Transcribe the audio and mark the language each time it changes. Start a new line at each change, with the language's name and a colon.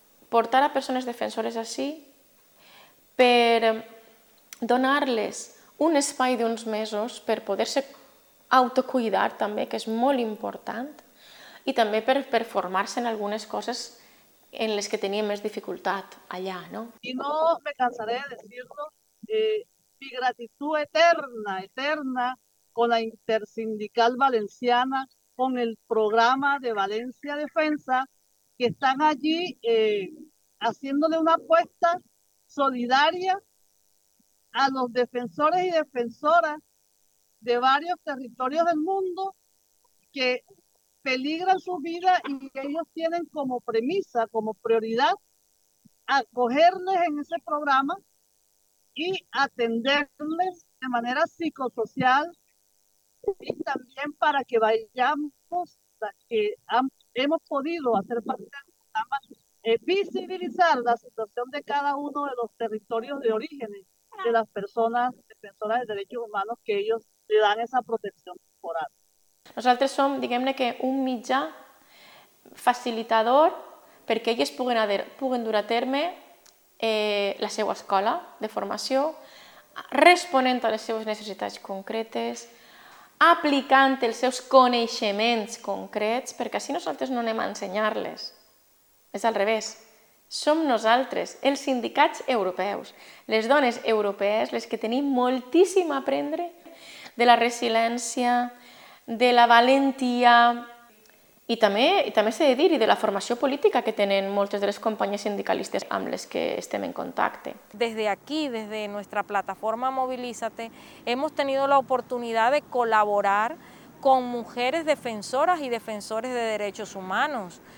Catalan: portar a persones defensores així per donar-les un espai d'uns mesos per poder-se autocuidar també, que és molt important, i també per performar-se en algunes coses en les que tenia més dificultat allà, no? I no me cansaré de dir-lo,
Spanish: mi gratitud eterna, eterna, con la Intersindical Valenciana, con el programa de Valencia Defensa, que están allí haciéndole una apuesta solidaria a los defensores y defensoras de varios territorios del mundo que peligran su vida y ellos tienen como premisa, como prioridad, acogerles en ese programa y atenderles de manera psicosocial y también para que vayamos, que hemos podido hacer parte del programa, visibilizar la situación de cada uno de los territorios de origen de las personas defensoras de derechos humanos que ellos le dan esa protección temporal.
Catalan: Nosaltres som, diguem-ne, que un mitjà facilitador perquè ells puguen dur a terme la seva escola de formació, responent a les seves necessitats concretes, aplicant els seus coneixements concrets, perquè així nosaltres no anem a ensenyar-les. És al revés. Som nosaltres, els sindicats europeus, les dones europees, les que tenim moltíssim a aprendre de la resiliència, de la valentia i també s'ha de dir, i de la formació política que tenen moltes de les companyes sindicalistes amb les que estem en contacte.
Spanish: Desde aquí, desde nuestra plataforma Movilízate, hemos tenido la oportunidad de colaborar con mujeres defensoras y defensores de derechos humanos.